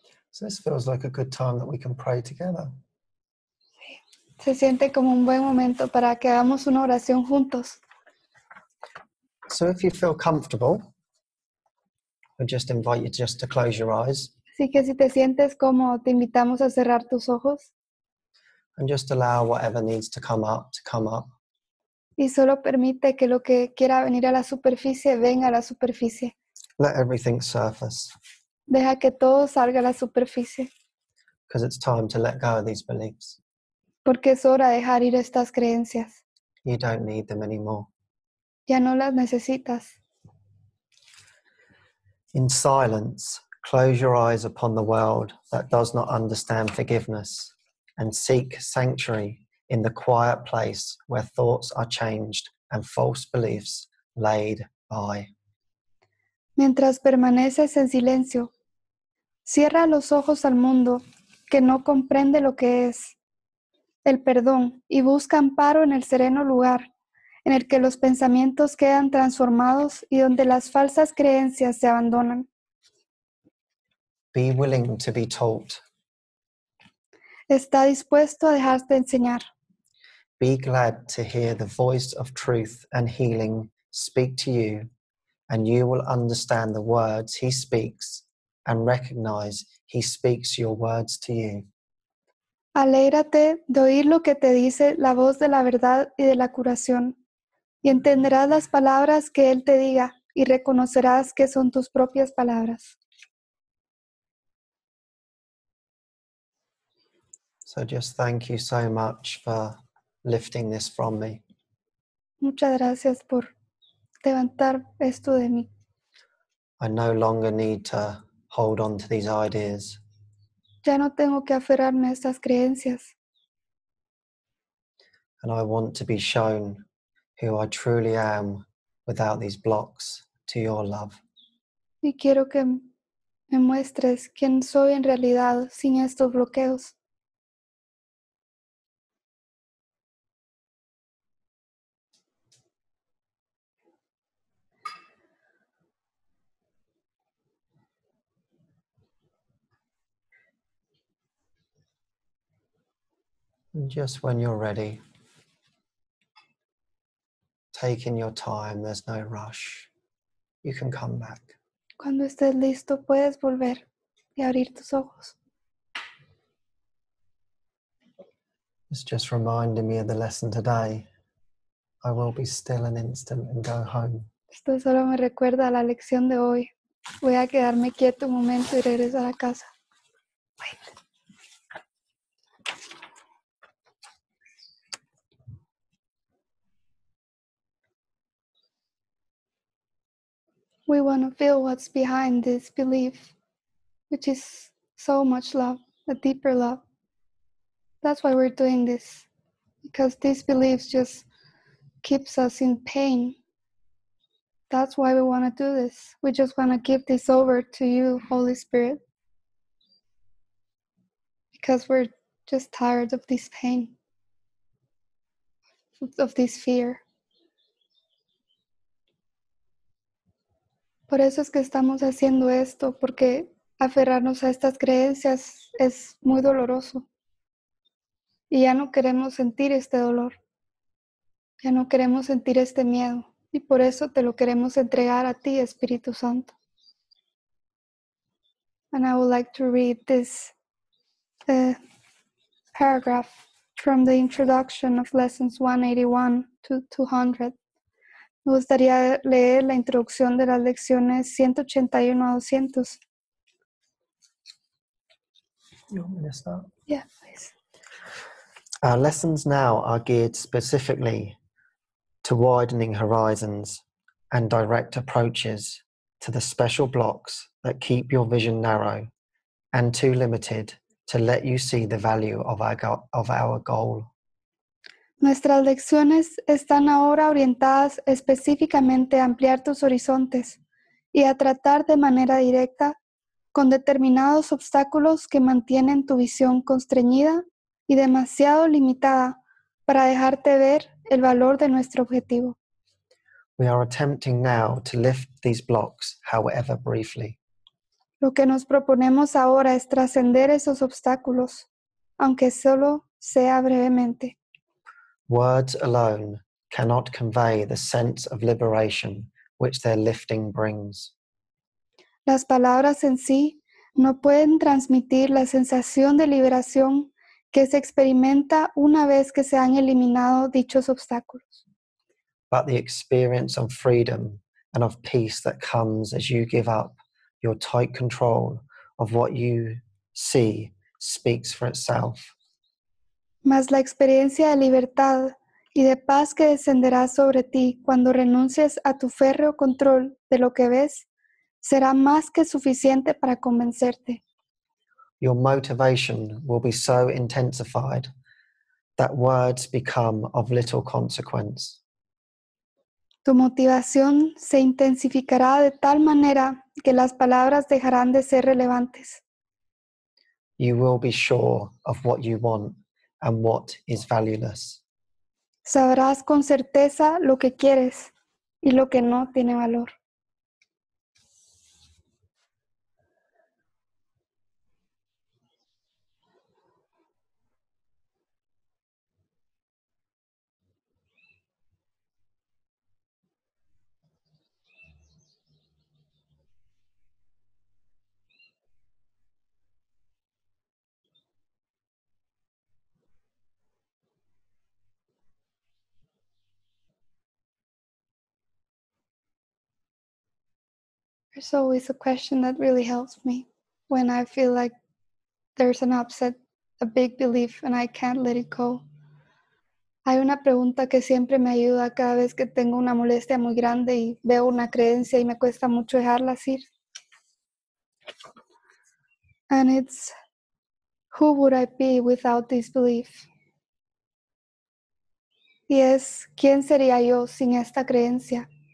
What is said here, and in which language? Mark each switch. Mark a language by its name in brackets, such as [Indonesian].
[English] So this feels like a good time that we can pray together. [Spanish] Se siente como un buen momento para que hagamos una oración juntos. [English] So if you feel comfortable, I just invite you just to close your eyes. [Spanish] Así que si te sientes como, te invitamos a cerrar tus ojos. [English] And just allow whatever needs to come up, to come up. [Spanish] Y solo permite que lo que quiera venir a la superficie, venga a la superficie. [English] Let everything surface. [Spanish] Deja que todo salga a la superficie. [English] Because it's time to let go of these beliefs. [Spanish] Porque es hora de dejar ir estas creencias. [English] You don't need them anymore. [Spanish] Ya no las necesitas. [English] In silence, close your eyes upon the world that does not understand forgiveness and seek sanctuary in the quiet place where thoughts are changed and false beliefs laid by. [Spanish] Mientras permaneces en silencio, cierra los ojos al mundo que no comprende lo que es el perdón y busca amparo en el sereno lugar en el que los pensamientos quedan transformados y donde las falsas creencias se abandonan. [English] Be willing to be taught. [Spanish] Está dispuesto a dejarte enseñar. [English] Be glad to hear the voice of truth and healing speak to you, and you will understand the words he speaks and recognize he speaks your words to you. [Spanish] Alégrate de oír lo que te dice la voz de la verdad y de la curación, y entenderás las palabras que él te diga y reconocerás que son tus propias palabras. [English] So just thank you so much for lifting this from me. [Spanish] Muchas gracias por levantar esto de mí. [English] I no longer need to hold on to these ideas. [Spanish] Ya no tengo que aferrarme a estas creencias. [English] And I want to be shown who I truly am without these blocks to your love. [Spanish] Y quiero que me muestres quién soy en realidad sin estos bloqueos. [English] Just when you're ready, take in your time, there's no rush. You can come back. [Spanish] Cuando estés listo, puedes volver y abrir tus ojos. [English] It's just reminding me of the lesson today. I will be still an instant and go home. [Spanish] Esto solo me recuerda a la lección de hoy. Voy a quedarme quieto un momento y regresar a casa. [English] We want to feel what's behind this belief, which is so much love, a deeper love. That's why we're doing this, because these beliefs just keeps us in pain. That's why we want to do this. We just want to give this over to you, Holy Spirit, because we're just tired of this pain, of this fear. [Spanish] Por eso es que estamos haciendo esto, porque aferrarnos a estas creencias es muy doloroso. Y ya no queremos sentir este dolor. Ya no queremos sentir este miedo. Y por eso te lo queremos entregar a ti, Espíritu Santo. [English] And I would like to read this paragraph from the introduction of lessons 181 to 200. [Spanish] Me gustaría leer la introducción de las lecciones 181 a 200. [English] You want me to start? Yeah, please. Our lessons now are geared specifically to widening horizons and direct approaches to the special blocks that keep your vision narrow and too limited to let you see the value of our goal. [Spanish] Nuestras lecciones están ahora orientadas específicamente a ampliar tus horizontes y a tratar de manera directa con determinados obstáculos que mantienen tu visión constreñida y demasiado limitada para dejarte ver el valor de nuestro objetivo. [English] We are attempting now to lift these blocks, however briefly. [Spanish] Lo que nos proponemos ahora es trascender esos obstáculos, aunque solo sea brevemente. [English] Words alone cannot convey the sense of liberation which their lifting brings. [Spanish] Las palabras en sí no pueden transmitir la sensación de liberación que se experimenta una vez que se han eliminado dichos obstáculos. [English] But the experience of freedom and of peace that comes as you give up your tight control of what you see speaks for itself. [Spanish] Mas la experiencia de libertad y de paz que descenderá sobre ti cuando renuncies a tu férreo control de lo que ves será más que suficiente para convencerte. [English] Your motivation will be so intensified that words become of little consequence. [Spanish] Tu motivación se intensificará de tal manera que las palabras dejarán de ser relevantes. [English] You will be sure of what you want and what is valueless. [Spanish] Sabrás con certeza lo que quieres y lo que no tiene valor. [English] There's always a question that really helps me when I feel like there's an upset, a big belief, and I can't let it go. [Spanish] Hay una pregunta que siempre me ayuda cada vez que tengo una molestia muy grande y veo una creencia y me cuesta mucho dejarla ir. [English] And it's, who would I be without this belief? [Spanish] Y es, ¿quién sería yo sin esta creencia?